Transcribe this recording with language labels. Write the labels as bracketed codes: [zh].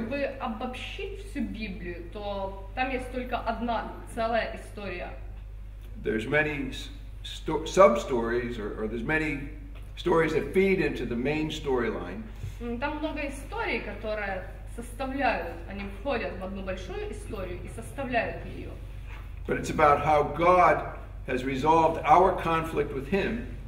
[ru] Если как бы обобщить всю Библию, то там есть только одна целая история. [en] There's many sub-stories, or there's many stories that feed into the main storyline. [ru] Там много историй, которые составляют, они входят в одну большую историю и составляют ее. [en] But it's about how God has resolved our conflict with him.